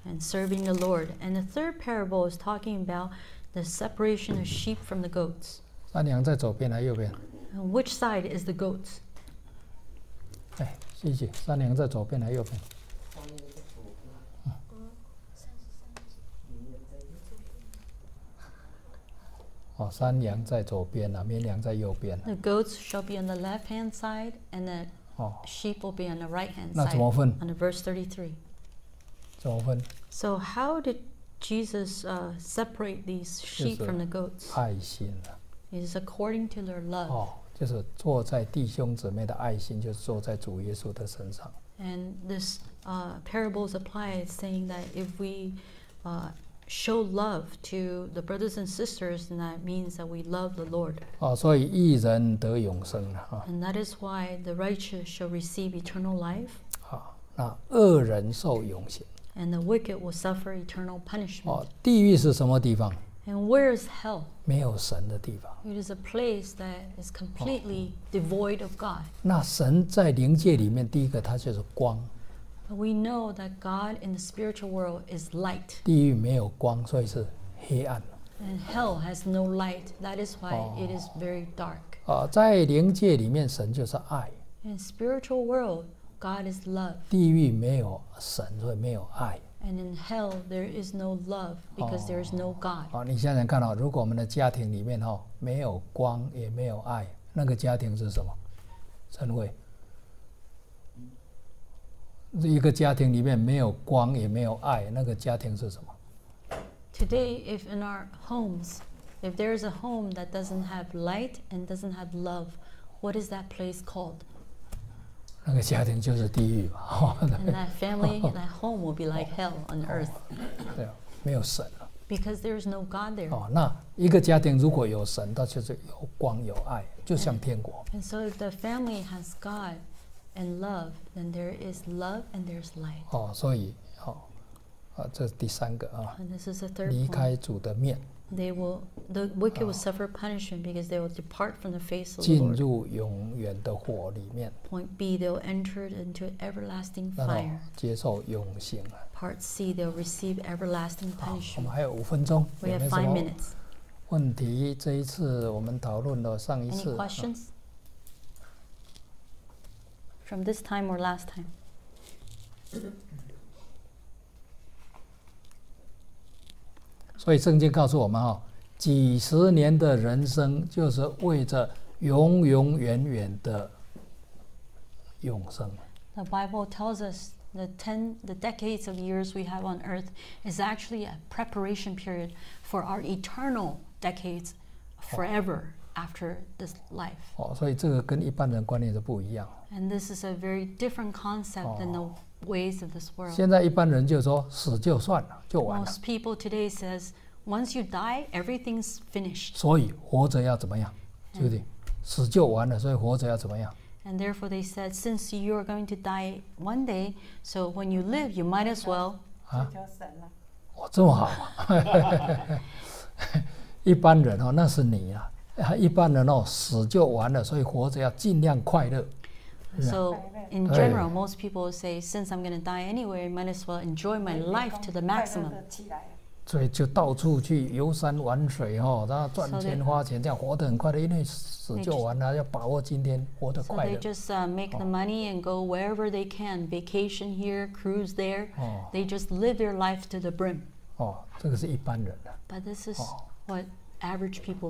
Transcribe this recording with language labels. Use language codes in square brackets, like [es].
[en] And serving the Lord. And the third parable is talking about the separation of sheep from the goats. [zh] 山羊在左边还是右边？ [en] Which side is the goats? [zh] 哎，谢谢。山羊在左边还是右边？哦，山羊在左边啊，绵羊在右边啊。 [en] The goats shall be on the left-hand side, and the sheep will be on the right-hand side. [zh] 那怎么分？ [en] On the verse 33. [zh] 怎么分？ [en] So how did Jesus separate these sheep from the goats? [zh] 就是爱心啊。 [en] It is according to their love. [zh] 哦，就是坐在弟兄姊妹的爱心，就是坐在主耶稣的身上。 [en] And this parables apply saying that if we show love to the brothers and sisters, and that means that we love the Lord. [zh] 哦，所以义人得永生啊。 [en] And that is why the righteous shall receive eternal life. [zh] 啊，那恶人受永刑。 [en] And the wicked will suffer eternal punishment. [zh] 哦，地狱是什么地方？ [en] And where is hell? [zh] 没有神的地方。 [en] It is a place that is completely devoid of God. [zh] 那神在灵界里面，第一个它就是光。 [en] But we know that God in the spiritual world is light. [zh] 地狱没有光，所以是黑暗。 [en] And hell has no light. That is why it is very dark. [zh] 在灵界里面，神就是爱。 [en] In spiritual world, God is love. [zh] 地狱没有神，所以没有爱。 [en] And in hell, there is no love because there is no God. [zh] 你想想看哦，如果我们的家庭里面哦没有光也没有爱，那个家庭是什么？称为？一个家庭里面没有光也没有爱，那个家庭是什么？ [en] Today, if in our homes, if there is a home that doesn't have light and doesn't have love, what is that place called? [zh] 那个家庭就是地狱吧。 [en] And that family, that home will be like hell on earth. [zh] 对啊，没有神了。 [en] Because there is no God there. [zh] 哦，那一个家庭如果有神，它就是有光有爱，就像天国。 [en] And so if the family has God. And love, then there is love and there is light. [zh] 哦，所以，哦，啊，这是第三个啊。 [en] And this is the third. [zh] 离开主的面。 [en] They will, the wicked will suffer punishment because they will depart from the face of the [zh] Lord. 进入永远的火里面。 [en] Point B, they will enter into everlasting fire. [zh] 接受永刑啊。 [en] Part C, they will receive everlasting punishment. [zh] 我们还有五分钟。 [en] We have 5 minutes. [zh] 问题，这一次我们讨论了上一次。 [en] Any questions? From this time or last time? [zh] 所以圣经告诉我们，几十年的人生就是为着永永远远的永生。 [en] The Bible tells us the decades of years we have on earth is actually a preparation period for our eternal decades forever after this life. [zh] 所以这个跟一般人观念是不一样。 [en] And this is a very different concept than the ways of this world. [zh] 现在一般人就说死就算了，就完了。 [en] Most people today says once you die, everything's finished. [zh] 所以活着要怎么样，对不对？死就完了，所以活着要怎么样 [en] ？And therefore they said, since you are going to die one day, so when you live, you might as well. [zh] 啊？哇，这么好！一般人哦，那是你啊。一般人哦，死就完了，所以活着要尽量快乐。 [en] So in general, most people say, since I'm going to die anyway, I might as well enjoy my life to the maximum. [zh] 所以就到处去游山玩水哦，然后赚钱花钱，这样活得很快乐，因为死就完了，要把握今天，活得快乐。 [en] So they just make the money and go wherever they can, vacation here, cruise there. They just live their life to the brim. [zh] 哦，这个是一般人的。 [en] But this is what average people.